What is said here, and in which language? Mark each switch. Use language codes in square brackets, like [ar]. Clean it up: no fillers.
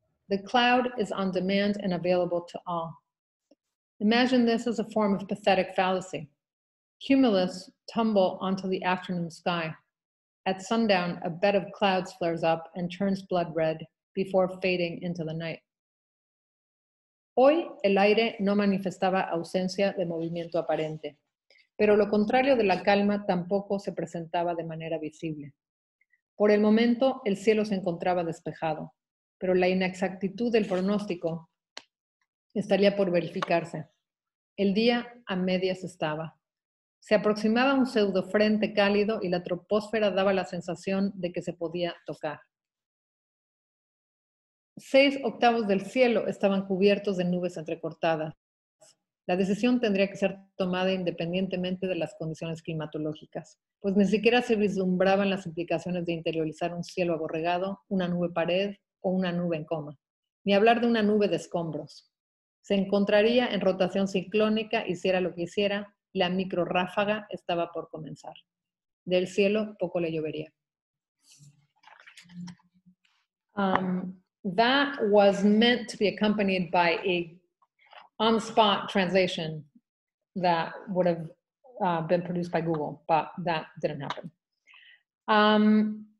[en] The cloud is on demand and available to all. Imagine this as a form of pathetic fallacy. Cumulus tumble onto the afternoon sky. At sundown, a bed of clouds flares up and turns blood red before fading into the night. [es] Hoy el aire no manifestaba ausencia de movimiento aparente, pero lo contrario de la calma tampoco se presentaba de manera visible. Por el momento, el cielo se encontraba despejado, pero la inexactitud del pronóstico estaría por verificarse. El día a medias estaba. Se aproximaba un pseudo frente cálido y la troposfera daba la sensación de que se podía tocar. 6/8 del cielo estaban cubiertos de nubes entrecortadas. La decisión tendría que ser tomada independientemente de las condiciones climatológicas, pues ni siquiera se vislumbraban las implicaciones de interiorizar un cielo aborregado, una nube pared o una nube en coma, ni hablar de una nube de escombros. Se encontraría en rotación ciclónica, hiciera lo que hiciera, la microráfaga estaba por comenzar. Del cielo poco le llovería. [en] That was meant to be accompanied by a on-spot translation that would have been produced by Google, but that didn't happen.